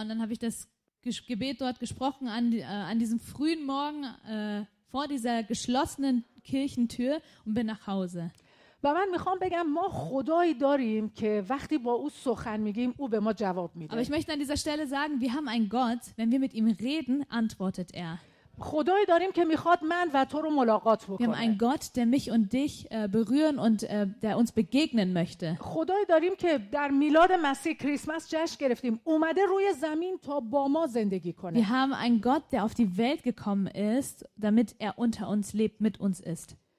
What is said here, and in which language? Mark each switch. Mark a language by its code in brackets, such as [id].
[de] und dann habe ich das Gebet dort gesprochen an diesem frühen Morgen vor dieser geschlossenen Kirchentür und bin nach Hause. [fa] و من میخوام بگم ما خدایی داریم که وقتی با او سخن میگیم او به ما جواب میده. [de] Aber ich möchte an dieser Stelle sagen, wir haben einen Gott, wenn wir mit ihm reden, antwortet er. [fa] خدایی داریم که میخواد من و تو رو ملاقات بکنه. [de] Wir haben einen Gott, der mich und dich berühren und der uns begegnen möchte. [fa] خدایی داریم که در میلاد مسیح کریسمس جشن گرفتیم. اومده روی زمین تا با ما زندگی کنه. [de] Wir haben einen Gott, der auf die Welt gekommen ist, damit er unter uns lebt, mit uns ist.